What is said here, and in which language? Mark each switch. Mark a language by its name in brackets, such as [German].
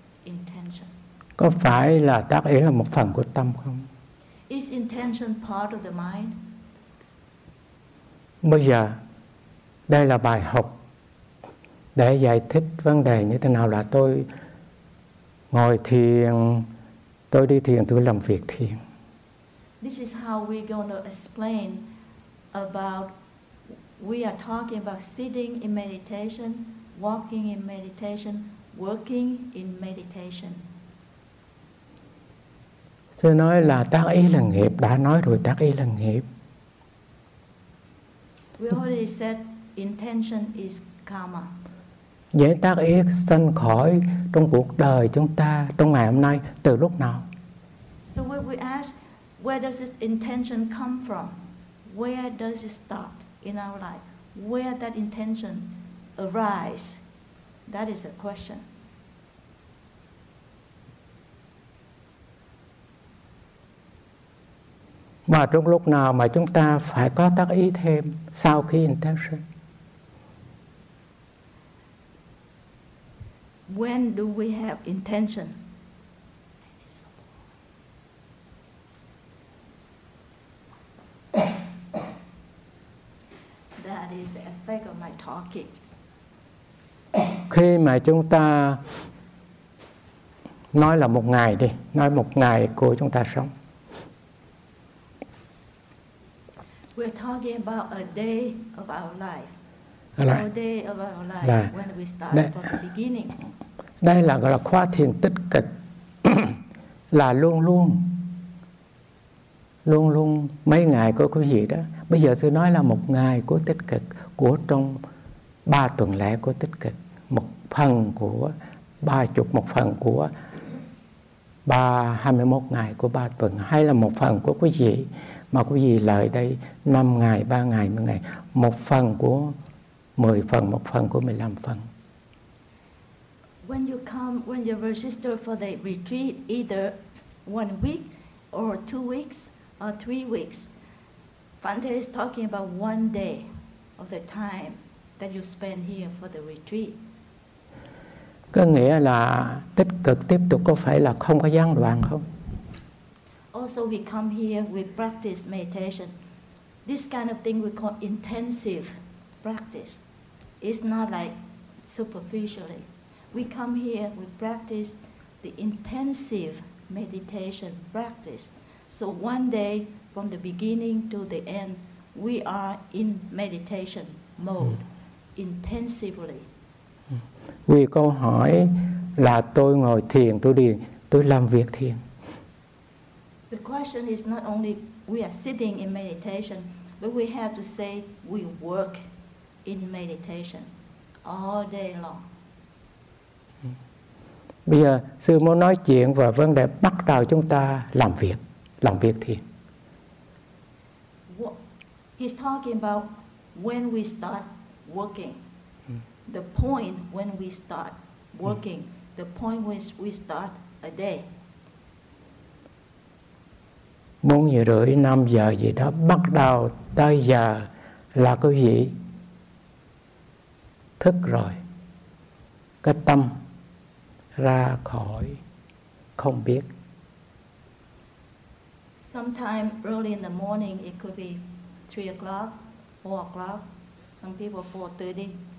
[English] Intention. [Vietnamese] Có phải là tác ý là một phần của tâm không? [English] Is intention part of the mind? [Vietnamese] Bây giờ, đây là bài học để giải thích vấn đề như thế nào là tôi ngồi thiền, tôi đi thiền, tôi làm việc thiền. [English] This is how we're going to explain about, we are talking about sitting in meditation, walking in meditation, working in meditation. [Vietnamese] Sư nói là tác ý là nghiệp, đã nói rồi tác ý là nghiệp. [English] We already said intention is karma. [Vietnamese] Vậy tác ý sanh khởi trong cuộc đời chúng ta trong ngày hôm nay từ lúc nào? [English] So when we ask, where does this intention come from? Where does it start in our life? Where that intention arise? That is a question. [Vietnamese] Mà trong lúc nào mà chúng ta phải có tác ý thêm sau khi intention? [English] When do we have intention? That is the effect of my talking. [Vietnamese] Khi mà chúng ta nói là một ngày đi, nói một ngày của chúng ta sống. [English] We're talking about a day of our life. [Vietnamese] Là, [English] a day of our life, là, when we start from the beginning. [Vietnamese] Đây là gọi là khoa thiền tích cực, là luôn luôn, luôn luôn mấy ngày của quý vị đó. Bây giờ sư nói là một ngày của tích cực, của trong 3 tuần lễ của tích cực, một phần của 30, một phần của 321 ngày của 3 tuần, hay là một phần của quý vị mà quý vị lại đây 5 ngày, 3 ngày, 10 ngày, một phần của 10 phần, một phần của 15 phần. [English] When you come, when you register for the retreat, either 1 week or 2 weeks or 3 weeks, Bhante is talking about 1 day of the time that you spend here for the retreat. [Vietnamese] Có nghĩa là tích cực tiếp tục có phải là không có gián đoạn không? [English] Also, we come here, we practice meditation. This kind of thing we call intensive practice. It's not like superficially. We come here, we practice the intensive meditation practice. So one day, from the beginning to the end, we are in meditation mode, intensively. [Vietnamese] Vì câu hỏi là tôi ngồi thiền, tôi đi, tôi làm việc thiền. [English] The question is not only we are sitting in meditation, but we have to say we work in meditation all day long. [Vietnamese] Bây giờ sư muốn nói chuyện và vấn đề bắt đầu chúng ta làm việc thiền. [English] He's talking about when we start working. The point when we start working, the point when we start a day. [Vietnamese] 4:30, 5 giờ gì đó, bắt đầu tới giờ là quý vị thức rồi. Cái tâm ra khỏi không biết. [English] Sometime early in the morning, it could be 3 o'clock, 4 o'clock, some people 4:30.